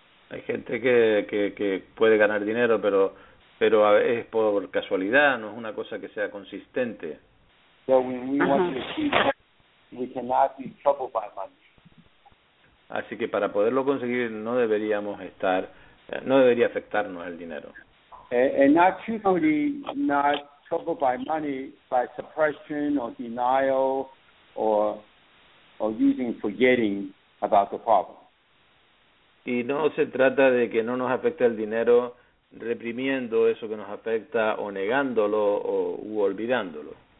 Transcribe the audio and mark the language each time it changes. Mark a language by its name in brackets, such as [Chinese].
[Spanish] Hay gente que puede ganar dinero, pero es por casualidad, no es una cosa que sea consistente. [English] So when we want to achieve, we cannot be troubled by money. [Spanish] Así que para poderlo conseguir no deberíamos no debería afectarnos el dinero. [English] And not truthfully, not troubled by money, by suppression or denial, or using forgetting about the problem. [Spanish] Y no se trata de que no nos afecte el dinero reprimiendo eso que nos afecta o negándolo o u olvidándolo.